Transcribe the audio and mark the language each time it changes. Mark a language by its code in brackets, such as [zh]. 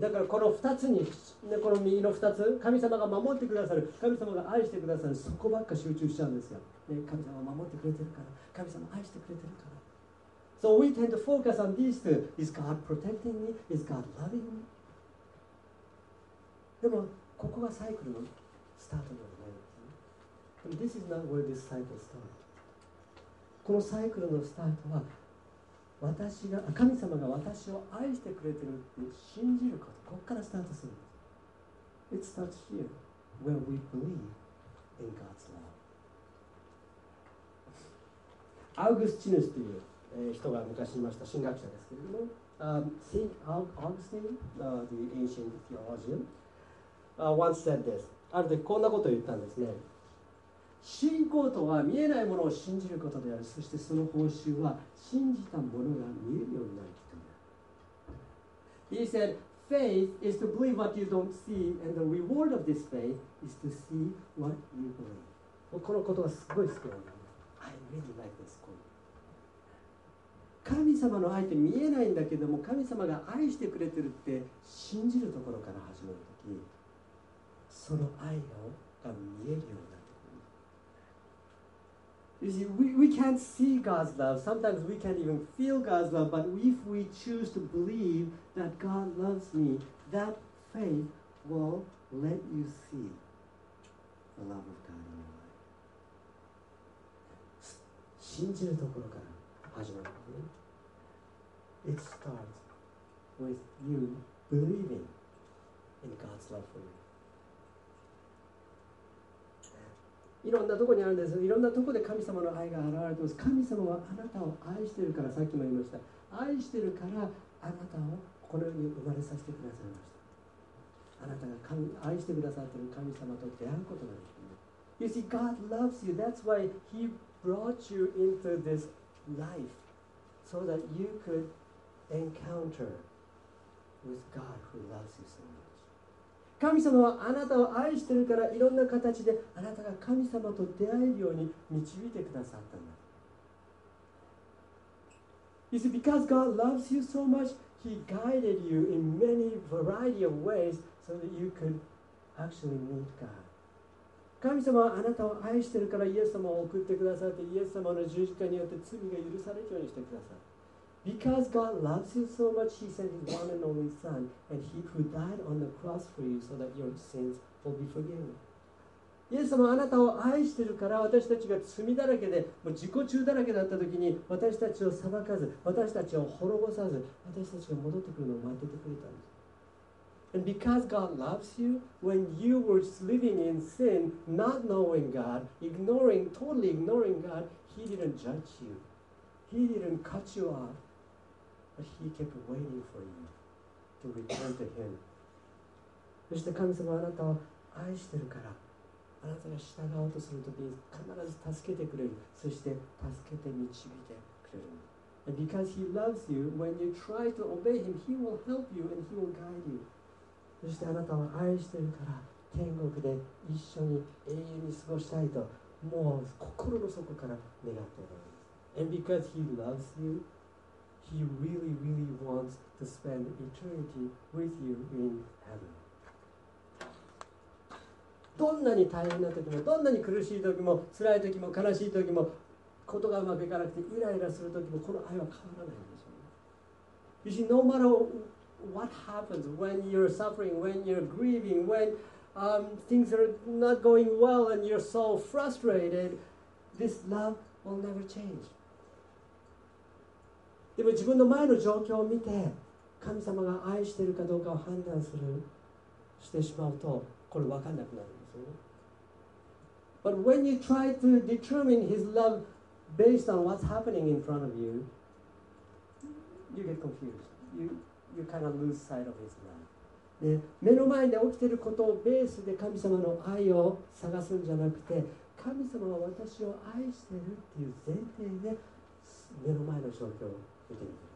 [ja] だからこの2つに、この右の2つ、神様が守ってくださる、神様が愛してくださる、そこばっか集中しちゃうんですよ。ね、神様が守ってくれてるから、神様愛してくれてるから。 [en] So we tend to focus on these two. Is God protecting me? Is God loving me? [ja] でも、ここがサイクルのスタートではないんです [en] But this is not where this cycle starts. [ja] このサイクルのスタートは私が神様が私を愛してくれてるって信じること、ここからスタートするんです。 [en] It starts here when we believe in God's love. [ja] アウグスチヌスという人が昔いました、神学者ですけれども、 [en] Saint Augustine, the ancient theologian, once said this. [ja] ある時こんなことを言ったんですね。信仰とは見えないものを信じることである。そしてその報酬は信じたものが見えるようになることである。 [en] He said, faith is to believe what you don't see, and the reward of this faith is to see what you believe. [ja] このことはすごい好きなんだ。 [en] I really like this quote. [ja] 神様の愛って見えないんだけども、神様が愛してくれてるって信じるところから始まるとき、その愛が見えるようになる。 [en] You see, we can't see God's love. Sometimes we can't even feel God's love. But if we choose to believe that God loves me, that faith will let you see the love of God in your life. [ja] 信じるところから始まる。 [en] It starts with you believing in God's love for you. [ja] いろんなところにあるんです。いろんなところで神様の愛が現れています。神様はあなたを愛しているから、さっきも言いました、愛しているからあなたをこの世に生まれさせてくださいました。あなたが神愛してくださっている神様と出会うことができる。 [en] You see, God loves you. That's why he brought you into this life so that you could encounter with God who loves you so much. [ja] 神様はあなたを愛してるから、いろんな形であなたが神様と出会えるように導いてくださったんだ。 [en] You see, because God loves you so much, He guided you in many variety of ways so that you could actually meet God [ja] 神様はあなたを愛しているからイエス様を送ってくださって、イエス様の十字架によって罪が許されるようにしてください。 [en] Because God loves you so much, He sent His one and only Son, and He who died on the cross for you so that your sins will be forgiven. [ja] イエス様はあなたを愛しているから私たちが罪だらけで、もう自己中だらけだった時に私たちを裁かず、私たちを滅ぼさず、私たちが戻ってくるのを待っててくれたんです。 [en] And because God loves you, when you were living in sin, not knowing God, ignoring, totally ignoring God, He didn't judge you. He didn't cut you off, but He kept waiting for you to return to Him. [ja] そして神様はあなたを愛してるから、あなたが従おうとするときに必ず助けてくれる、そして助けて導いてくれる。 [en] And because He loves you, when you try to obey Him, He will help you and He will guide you. [ja] そしてあなたを愛しているから天国で一緒に永遠に過ごしたいと、もう心の底から願っております。 [en] And because He loves you, He really, really wants to spend eternity with you in heaven. [ja] どんなに大変な時も、どんなに苦しい時も、辛い時も、悲しい時も、ことがうまくいかなくてイライラする時も、この愛は変わらないんですよね。 [en] You see, no matter what happens when you're suffering, when you're grieving, when things are not going well and you're so frustrated, this love will never change. [ja] でも自分の前の状況を見て神様が愛しているかどうかを判断するしてしまうと、これ分かんなくなるんですよね。 [en] But when you try to determine His love based on what's happening in front of you, you get confused. You kind of lose sight of His love. [ja] で、目の前で起きていることをベースで神様の愛を探すんじゃなくて、神様は私を愛しているっていう前提で目の前の状況を見てみてください。